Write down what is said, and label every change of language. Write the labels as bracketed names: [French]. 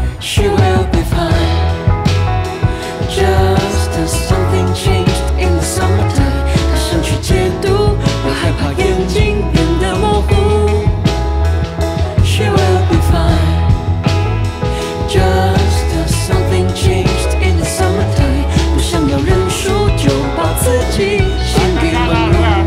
[English] She will be fine, just something changed in the summertime。 [Chinese] 她想去戒毒，我害怕眼睛变得模糊。 [English] She will be fine, just something changed in the summertime。 [Chinese] 不想要认输，就把自己献给温柔。